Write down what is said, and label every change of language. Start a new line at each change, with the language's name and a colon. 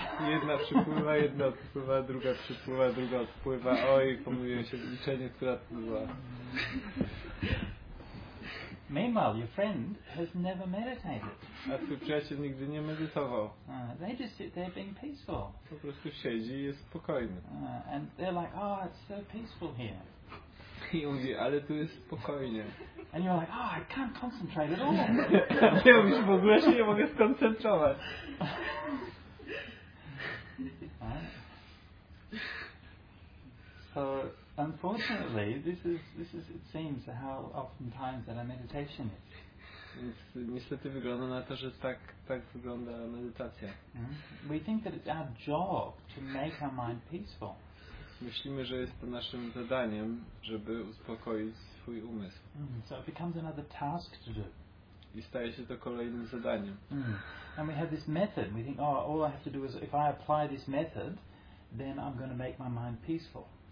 Polish: Jedna przypływa, jedna odpływa, druga przypływa, druga odpływa. Oj, pomyliłem się w liczeniu, która odpływa.
English: Meanwhile, your friend has never meditated.
Polish: A twój przyjaciel nigdy nie medytował.
English: They just sit there being peaceful.
Polish: Po prostu siedzi i jest spokojny.
English: And they're like, oh, it's so peaceful here.
Polish: I mówi, ale tu jest spokojnie.
English: And you're like, oh, I can't concentrate at all.
Polish: Ja mówisz, w ogóle się nie mogę skoncentrować.
English: So, unfortunately, this is it seems how often times that our meditation is.
Polish: Więc niestety wygląda na to, że tak wygląda medytacja.
English: We think that it's our job to make our mind peaceful.
Polish: Myślimy, że jest to naszym zadaniem, żeby uspokoić swój umysł.
English: So it becomes another task to do.
Polish: I staje się to kolejnym zadaniem.
English: And we have this method. We think, oh, all I have to do is, if I apply this method, then I'm going to make my mind peaceful.